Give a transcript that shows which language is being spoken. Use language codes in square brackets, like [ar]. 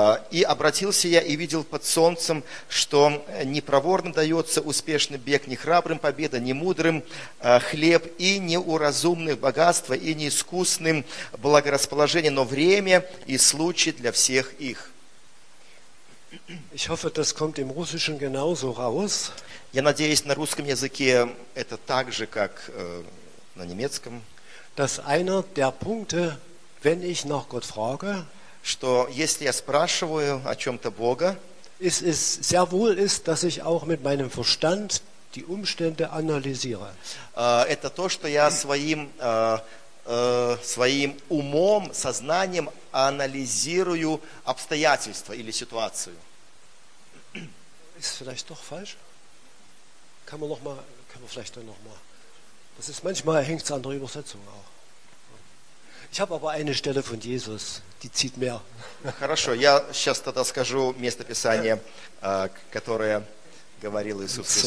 [ru] «И обратился я и видел под солнцем, что непроворно дается успешный бег, не храбрым победа, не мудрым хлеб, и не у разумных богатства, и не искусным благорасположение, но время и случай для всех их». [de] Ich hoffe, das kommt im Russischen genauso raus. [ru] Я надеюсь, на русском языке это так же, как на немецком. [de] Dass einer der Punkte, wenn ich nach Gott frage, [ru] что если я спрашиваю о чем-то Бога, [de] ist sehr wohl ist, dass ich auch mit meinem Verstand die Umstände analysiere. [ru] Это то, что я своим умом, сознанием анализирую обстоятельства или ситуацию. [de] Ist vielleicht doch falsch? Kann man noch mal, können wir vielleicht dann noch mal. Das ist manchmal, hängt es an der Übersetzung auch. Ich habe aber eine Stelle von Jesus, die zieht mehr. [ru] Хорошо, я сейчас тогда скажу местописание, которое говорил Иисус Христос.